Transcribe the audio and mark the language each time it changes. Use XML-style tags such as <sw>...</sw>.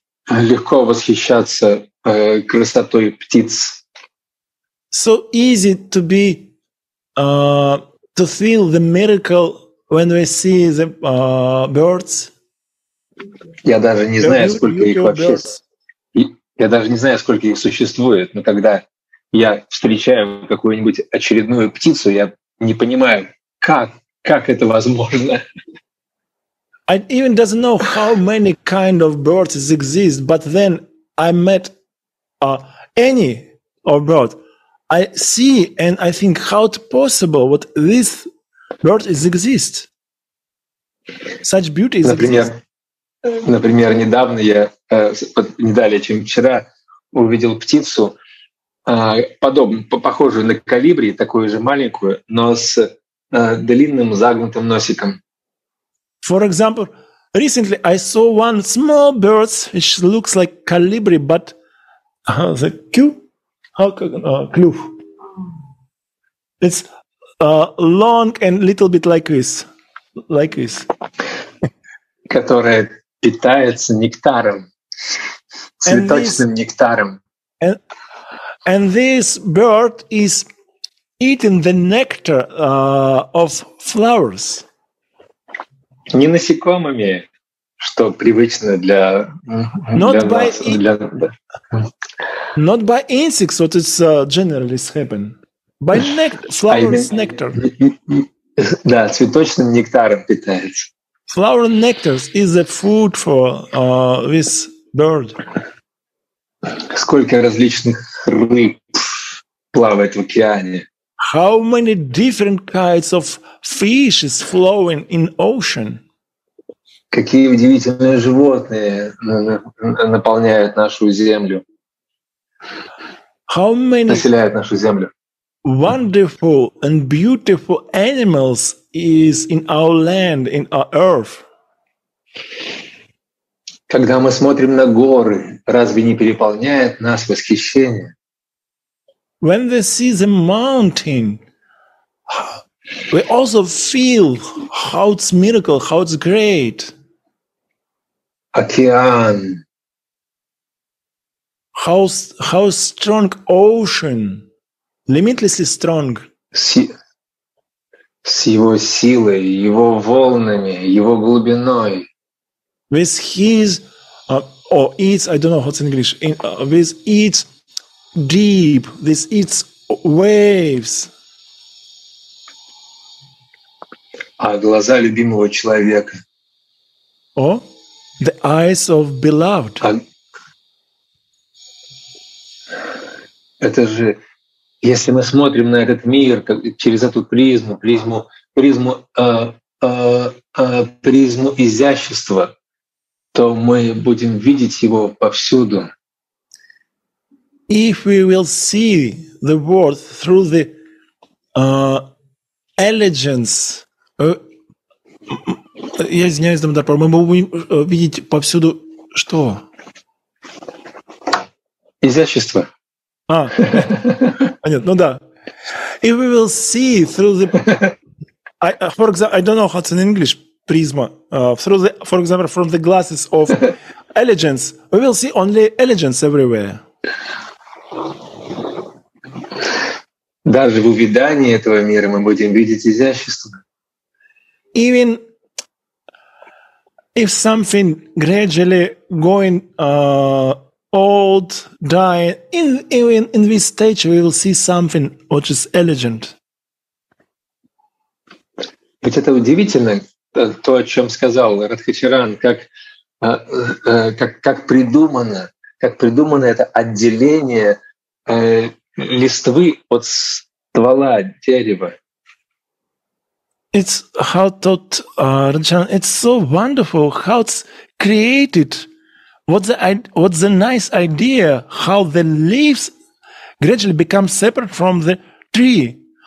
<ru>Легко восхищаться красотой птиц.</ru> <en>So easy to be to feel the miracle when we see the birds.</en> <ru>Я даже не знаю, сколько их вообще. Я даже не знаю, сколько их существует, но когда я встречаю какую-нибудь очередную птицу, я не понимаю, как это возможно.</ru> <en>I even doesn't know how many kind of birds exist, but then I met any of birds. I see and I think, how it's possible what this bird is exist? Such beauty is exist.</en> <ru>Например, недавно я, не далее, чем вчера, увидел птицу, похожую на колибри, такую же маленькую, но с длинным загнутым носиком.</ru> <en>For example, recently I saw one small bird, which looks like colibri, but the клюв. It's long and little bit like this.</en> <ru>Которая питается нектаром, цветочным нектаром.</ru> <en>And this bird is eating the nectar of flowers.</en> <ru>Не насекомыми, что привычно для нас.</ru> <en>Not by insects, what is generally happen. By flowers nectar.</en> <ru>Да, цветочным нектаром питается.</ru> <en>Flower nectar is the food for this bird.</en> <ru>Сколько различных рыб плавает в океане?</ru> <en>How many different kinds of fish is flowing in ocean?</en> <ru>Какие удивительные животные наполняют нашу землю?</ru> <en>How many</en> <ru>населяют нашу землю?</ru> <en>Wonderful and beautiful animals is in our land, in our earth.</en> <ru>Когда мы смотрим на горы, разве не переполняет нас восхищение?</ru> <en>When we see the mountain, we also feel how it's miracle, how it's great.</en> <ru>Океан.</ru> <en>How strong ocean, limitlessly strong.</en> <ru>С его силой, его волнами, его глубиной.</ru> <en>With his with its deep, with its waves.</en> <ru>А глаза любимого человека.</ru> <en>Oh, the eyes of beloved.</en> <ru>Это же, если мы смотрим на этот мир как, через эту призму изящества, то мы будем видеть его повсюду.</ru> <en>If we will see the world through the elegance,</en> <ru>я извиняюсь, мы будем видеть повсюду что? Изящество. А нет, ну да.</ru> <en>If we will see through the, for example, I don't know how it's in English, prisma, through the, for example, from the glasses of elegance, we will see only elegance everywhere.</en> <ru>Даже в увидании этого мира мы будем видеть изящество.</ru> <en>Even if something gradually going old, dying, in this stage we will see something which is elegant.</en> <ru>Ведь это удивительно, то, о чем сказал Радхачаран, как придумано это отделение листвы от ствола дерева.</ru> <en>It's how thought Радхачаран, it's so wonderful how it's created. What's the nice idea how the leaves gradually become separate from the tree?</en>